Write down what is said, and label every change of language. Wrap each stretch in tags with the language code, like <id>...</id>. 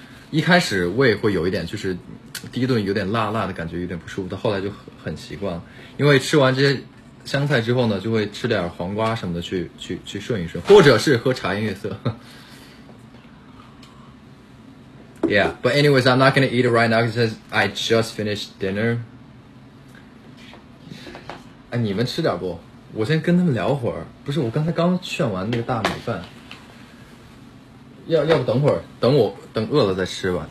<zh>一开始胃会有一点就是第一顿有点辣辣的感觉，有点不舒服，但后来就很习惯了，因为吃完这些香菜之后呢，就会吃点黄瓜什么的去顺一顺，或者是喝茶颜悦色。</zh> <en>Yeah, but anyways, I'm not gonna eat it right now because I just finished dinner.</en> <zh>哎，你们吃点不？我先跟他们聊会儿。不是，我刚才刚炫完那个大米饭。要不等会儿，等我等饿了再吃吧。</zh>